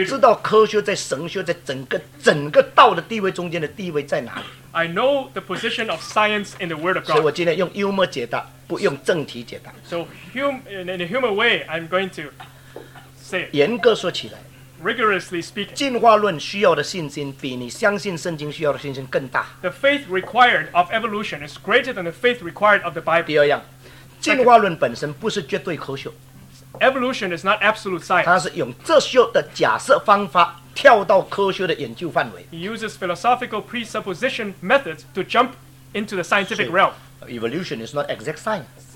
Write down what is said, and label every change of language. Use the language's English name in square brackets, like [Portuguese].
[Chinese] 我知道科学在神学在整个道的地位中间的地位在哪里。 [English] I know the position of science in the Word of God. [Chinese] 所以我今天用幽默解答，不用正题解答。 [English] So in a humor way, I'm going to say. [Chinese] 严格说起来 [English] ，rigorously speaking, [Chinese] 进化论需要的信心比你相信圣经需要的信心更大。 [English] The faith required of evolution is greater than the faith required of the Bible. [Chinese] 第二样，进化论本身不是绝对科学。 [English] Evolution is not absolute science. [Chinese] 它是用哲学的假设方法跳到科学的研究范围。 [English] He uses philosophical presupposition methods to jump into the scientific realm. Evolution is not exact science.